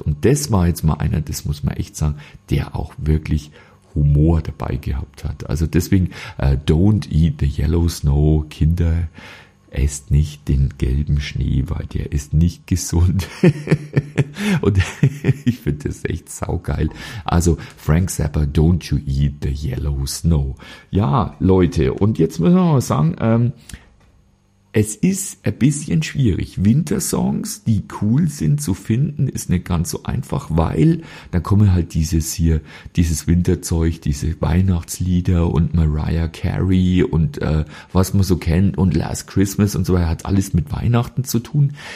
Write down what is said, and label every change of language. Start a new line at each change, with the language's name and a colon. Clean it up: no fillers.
German: Und das war jetzt mal einer, das muss man echt sagen, der auch wirklich Humor dabei gehabt hat. Also deswegen,
English: don't eat the yellow snow,
German: Kinder, esst nicht den gelben Schnee, weil der ist nicht gesund. Und ich finde das echt saugeil.
English: Also Frank Zappa, don't you eat the yellow snow.
German: Ja, Leute, und jetzt müssen wir mal sagen, es ist ein bisschen schwierig. Wintersongs, die cool sind zu finden, ist nicht ganz so einfach, weil da kommen halt dieses Winterzeug, diese Weihnachtslieder und Mariah Carey und was man so kennt und Last Christmas und so weiter, hat alles mit Weihnachten zu tun.